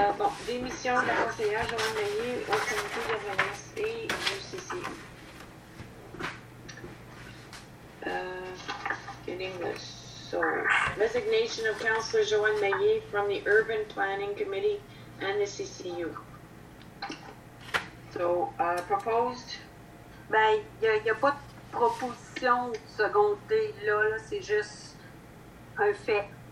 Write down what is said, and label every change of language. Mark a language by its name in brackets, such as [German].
[French] Bon, démission de la conseillère Joanne Meunier au comité de relance et du CC. [English] In English. So, resignation of Councillor Joanne Meunier from the Urban Planning Committee and the CCU. So, proposed? [French] Ben, y a pas de proposition secondée là, là, c'est juste un fait.